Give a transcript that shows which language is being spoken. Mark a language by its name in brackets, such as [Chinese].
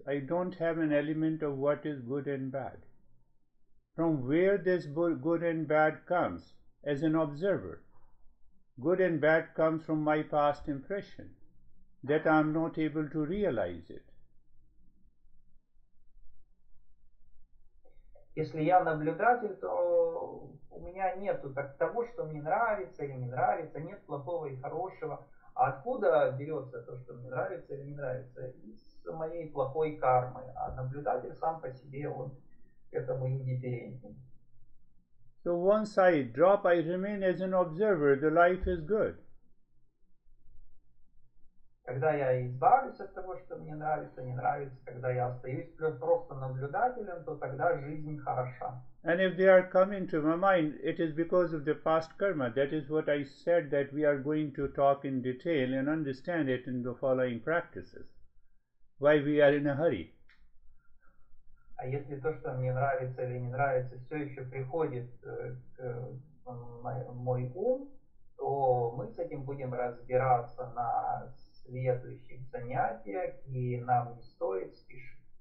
[English] I don't have an element of what is good and bad. From where this good and bad comes, as an observer, good and bad comes from my past impression that I'm not able to realize it. [Russian] Если я наблюдатель, то у меня нету так того, что мне нравится или не нравится, нет плохого и хорошего. А откуда берется то, что мне нравится или не нравится? Из моей плохой кармы. А наблюдатель сам по себе, он к этому индифферентен. [English] So once I drop, I remain as an observer. The life is good. [Russian] Когда я избавлюсь от того, что мне нравится, не нравится, когда я остаюсь просто наблюдателем, то тогда жизнь хороша. [English] And if they are coming to my mind, it is because of the past karma. That is what I said, that we are going to talk in detail and understand it in the following practices. Why we are in a hurry. [Russian] А если то, что мне нравится или не нравится, все еще приходит к мой ум, то мы с этим будем разбираться на следующих занятиях, и нам не стоит спешить.